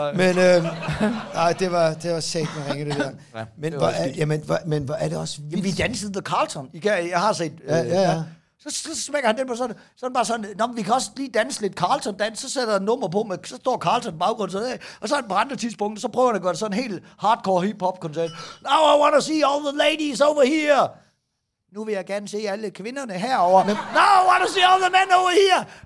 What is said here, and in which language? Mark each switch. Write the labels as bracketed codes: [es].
[da] Men det var sat med ringe, det der. Ja, men, hvor er det også vildt? Jamen, vi dansede The Carlton. Jeg har set... Så smækker han den på sådan bare sådan, nå, vi kan også lige danse lidt Carlton-dans, så sætter han nummer på, men så står Carlton baggrund sådan, og så er han på andre tidspunkt, så prøver han at gøre sådan en helt hardcore hip-hop-koncert. [en] Now I want to see all the ladies over here. [da] Nu vil jeg gerne se alle kvinderne herover. [en] Now I want to see all the men over here.